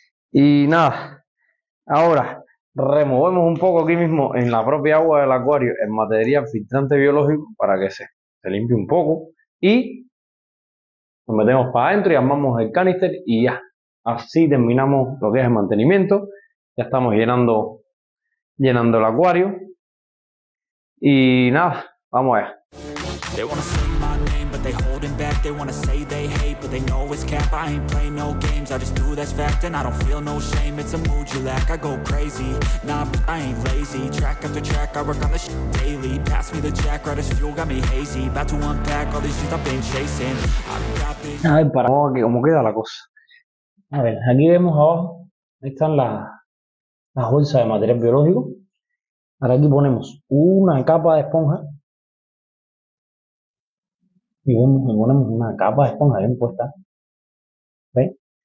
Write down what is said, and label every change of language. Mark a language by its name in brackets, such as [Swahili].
[Spanish] Y nada, ahora removemos un poco aquí mismo en la propia agua del acuario el material filtrante biológico para que se limpie un poco, y lo metemos para adentro y armamos el canister, y ya, así terminamos lo que es el mantenimiento. Ya estamos llenando el acuario. Y nada, vamos allá. [English] They wanna say my name, but they holding back. They wanna say they hate, but they know it's cap. I ain't play no games, I just do that's fact. And I don't feel no shame, it's a mood you lack. I go crazy, nah, but I ain't lazy. Track after track, I work on the shit daily. Pass me the jack, right as fuel, got me hazy. About to unpack all these shit I've been chasing. [Spanish] A ver, para. ¿Cómo queda la cosa? A ver, aquí vemos abajo. Ahí están las bolsas de material biológico. Ahora aquí ponemos una capa de esponja. Y ponemos una capa de esponja bien puesta. ¿Ven?